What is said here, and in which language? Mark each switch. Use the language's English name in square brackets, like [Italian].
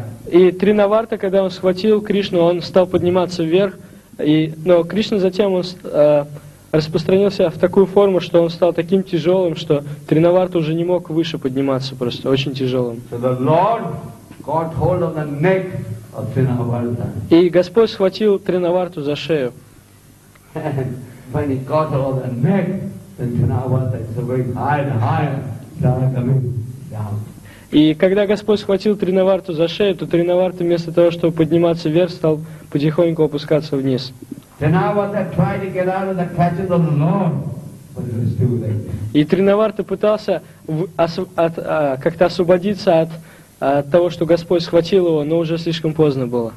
[Russian] И Тринаварта, когда он схватил Кришну, он стал подниматься вверх, но Кришна затем он распространился в такую форму, что он стал таким тяжелым, что Тринаварта уже не мог выше подниматься, просто очень тяжелым. [English] So the Lord got hold of the neck of Trinavarta. [Russian] И Господь схватил Тринаварту за шею. [English] When he got hold of the neck, then Trinavarta is a very higher coming down. [Russian] И когда Господь схватил Тринаварту за шею, то Тринаварта вместо того, чтобы подниматься вверх, стал потихоньку опускаться вниз. И Тринаварта пытался как-то освободиться от того, что Господь схватил его, но уже слишком поздно было.